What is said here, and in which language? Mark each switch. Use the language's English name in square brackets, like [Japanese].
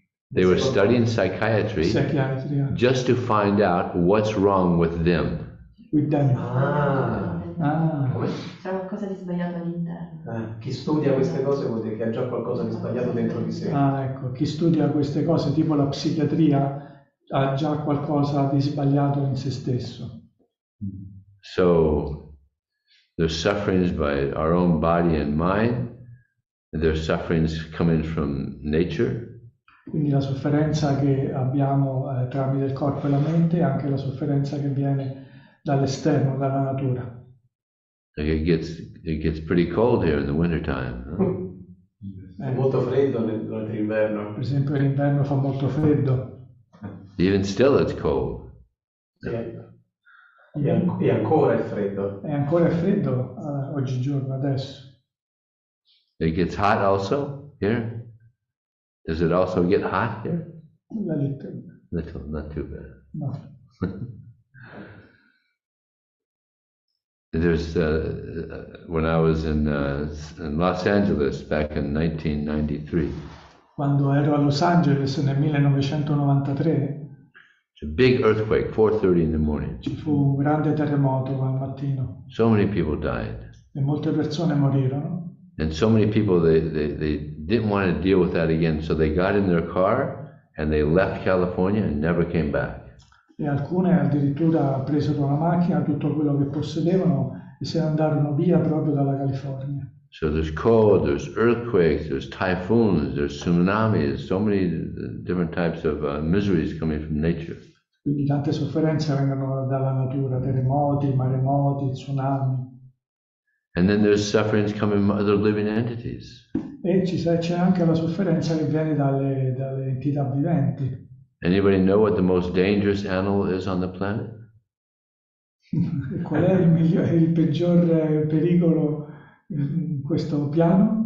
[English] They were studying psychiatry, [Italian] psichiatria, [English] just to find out what's wrong with them. With them. Ah. Ah. [Italian] C'è qualcosa di sbagliato all'interno. Chi studia queste cose vuol dire che ha già qualcosa di sbagliato dentro di sé. Ah, ecco, chi studia queste cose, tipo la psichiatria, ha già qualcosa di sbagliato in se stesso. [English] So there's sufferings by our own body and mind, and there's sufferings coming from nature. [Italian] Quindi la sofferenza che abbiamo tramite il corpo e la mente, anche la sofferenza che viene dall'esterno, dalla natura. [English] It gets pretty cold here in the winter time. [Italian] È molto freddo durante l'inverno. Per esempio, l'inverno fa molto freddo. [English] Even still, it's cold. [Italian] E ancora è freddo. È ancora freddo oggigiorno, adesso. [English] It gets hot also here? Does it also get hot here? A little. Little, not too bad. No. When I was in Los Angeles back in 1993. [Italian] Quando ero a Los Angeles nel 1993. [English] A big earthquake, 4:30 in the morning. [Italian] Ci fu un grande terremoto al mattino. [English] So many people died. [Italian] E molte persone morirono. [English] And so many people they didn't want to deal with that again, so they got in their car and they left California and never came back. [Italian] E alcune addirittura presero la macchina, tutto quello che possedevano, e se andarono via proprio dalla California. [English] So there's cold, there's earthquakes, there's typhoons, there's tsunamis, so many different types of miseries coming from nature. [Italian] Quindi tante sofferenze vengono dalla natura, terremoti, maremoti, tsunami. [English] And then there's sufferings coming from other living entities. [Italian] E c'è anche la sofferenza che viene dalle entità viventi. [English] Anybody know what the most dangerous animal is on the planet? [Italian] Qual è il peggior pericolo in questo piano?